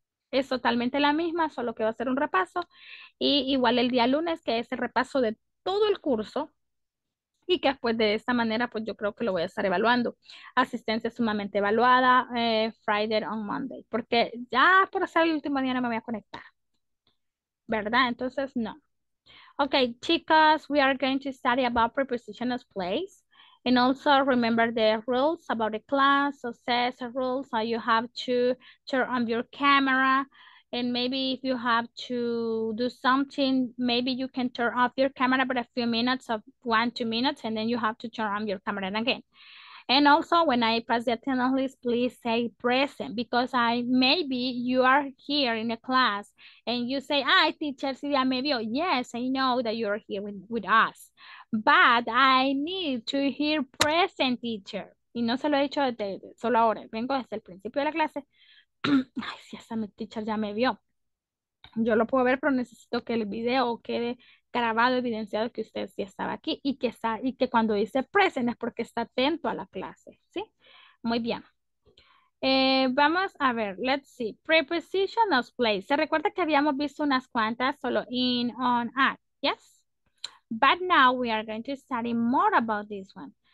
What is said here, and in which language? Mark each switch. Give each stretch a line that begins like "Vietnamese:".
Spanish: Es totalmente la misma, solo que va a ser un repaso. Y igual el día lunes, que es el repaso de todo el curso. Y que después de esta manera, pues yo creo que lo voy a estar evaluando. Asistencia sumamente evaluada,
English: Friday on Monday.
Spanish: Porque ya por ser el último día no me voy a conectar. ¿Verdad? Entonces, no.
English: Ok, chicas, we are going to study about prepositional place. And also remember the rules about the class, so says the rules, so you have to turn on your camera, and maybe if you have to do something, maybe you can turn off your camera for a few minutes, of 1-2 minutes, and then you have to turn on your camera again. And also when I pass the attendance list, please say present, because I maybe you are here in a class, and you say,
Spanish: ay, teacher, si ya me vio.
English: Yes, I know that you are here with us. But I need to hear present teacher.
Spanish: Y no se lo he dicho desde solo ahora. Vengo desde el principio de la clase. Ay, si hasta mi teacher ya me vio. Yo lo puedo ver, pero necesito que el video quede grabado, evidenciado que usted sí estaba aquí. Y que, está, y que cuando dice present es porque está atento a la clase. ¿Sí? Muy bien. Vamos a ver.
English: Let's see. Prepositional place.
Spanish: ¿Se recuerda que habíamos visto unas cuantas solo in, on, at?
English: Yes. But now we are going to study more about this one.